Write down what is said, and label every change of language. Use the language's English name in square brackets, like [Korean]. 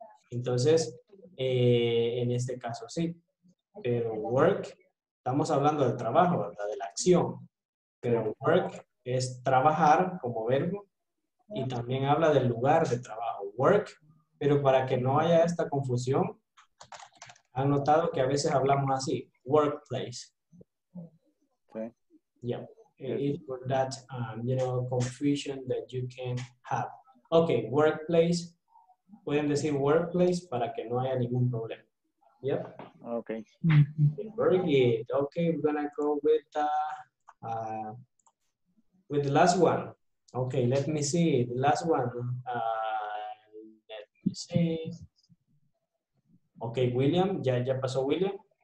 [Spanish] Entonces, en este caso sí. Pero work, estamos hablando del trabajo, ¿verdad? De la acción. Pero work es trabajar como verbo y también habla del lugar de trabajo. Work, pero para que no haya esta confusión, han notado que a veces hablamos así, workplace. [English] Yeah, it's for that, confusion that you can have. Okay, workplace. [Spanish] Pueden decir workplace para que no haya ningún problema. [English] Yep. Okay. Very good. Okay, we're going to go with the last one. Okay, let me see. The last one. Let me see. Okay, William. [Spanish] Ya pasó William.